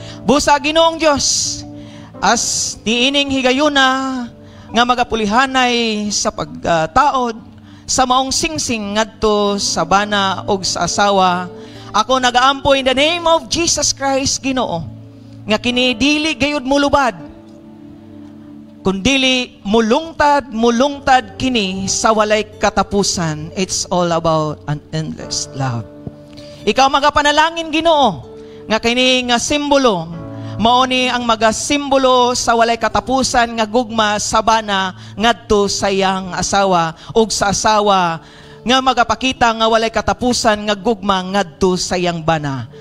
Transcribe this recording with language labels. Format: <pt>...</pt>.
<ceb>Busa Ginoong Diyos, as niining higayuna nga magapulihanay sa pagtaod sa maong singsing ngadto sa bana o sa asawa, ako nagaampo</ceb> <en>in the name of Jesus Christ</en> <ceb>Ginoo nga kinidili gayud mulubad kundili mulungtad mulungtad kini sa walay katapusan.</ceb> <en>It's all about an endless love.</en> <ceb>Ikaw magapanalangin Ginoo nga kini nga simbolo maoni ang magasimbolo sa walay katapusan nga gugma sa bana ngadto sa iyang asawa ug sa asawa nga magapakita nga walay katapusan nga gugma ngadto sa iyang bana.</ceb>